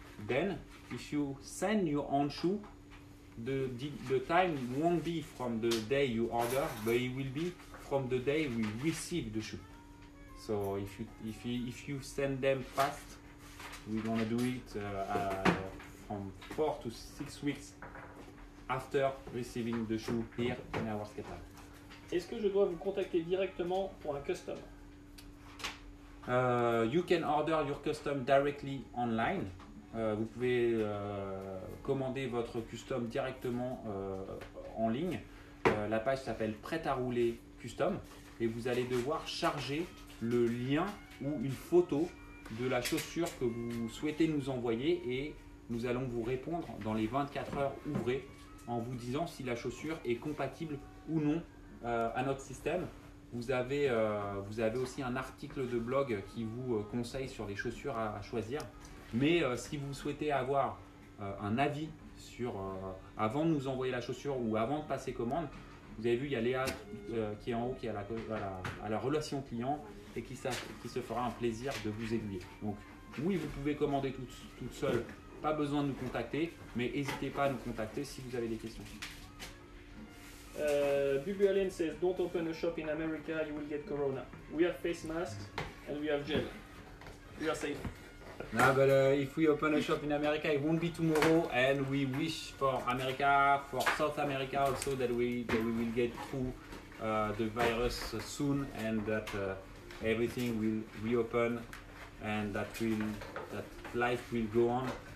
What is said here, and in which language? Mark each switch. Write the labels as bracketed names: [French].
[English] Then, if you send your own shoe, the time won't be from the day you order, but it will be from the day we receive the shoe. So if you send them fast, we're gonna do it. From 4 to 6 weeks after receiving the shoe here in our skate park. [French] Est-ce que je dois vous contacter directement pour un custom? [English] You can order your custom directly online. [French] Vous pouvez commander votre custom directement en ligne. La page s'appelle Prêt à rouler custom et vous allez devoir charger le lien ou une photo de la chaussure que vous souhaitez nous envoyer et nous allons vous répondre dans les 24 heures ouvrées en vous disant si la chaussure est compatible ou non à notre système. Vous avez aussi un article de blog qui vous conseille sur les chaussures à choisir. Mais si vous souhaitez avoir un avis sur avant de nous envoyer la chaussure ou avant de passer commande, vous avez vu, il y a Léa qui est en haut, qui est à la relation client et qui se fera un plaisir de vous aiguiller. Donc oui, vous pouvez commander toute seule. Pas besoin de nous contacter, mais n'hésitez pas à nous contacter si vous avez des questions. [English] Bubu Allen says, don't open a shop in America, you will get corona. We have face masks and we have gel. We are safe. No, but if we open a shop in America, it won't be tomorrow. And we wish for America, for South America also, that we will get through the virus soon and that everything will reopen and that life will go on.